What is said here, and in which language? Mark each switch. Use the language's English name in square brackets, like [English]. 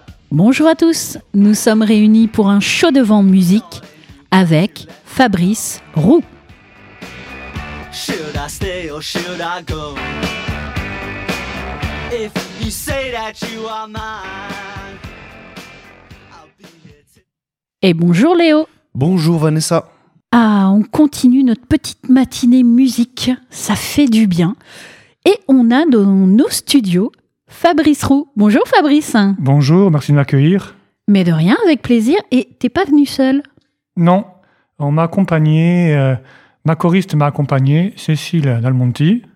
[French] Bonjour à tous, nous sommes réunis pour un show de vent musique avec Fabrice Roux. [English] Should I stay or should I go? If you say that you are mine, I'll be here. [French] Et bonjour Léo. Bonjour Vanessa. Ah, on continue notre petite matinée musique, ça fait du bien. Et on a dans nos studios Fabrice Roux. Bonjour Fabrice. Bonjour, merci de m'accueillir. Mais de rien, avec plaisir. Et t'es pas venu seul? Non, on m'a accompagné, ma choriste m'a accompagné, Cécile Dalmonti.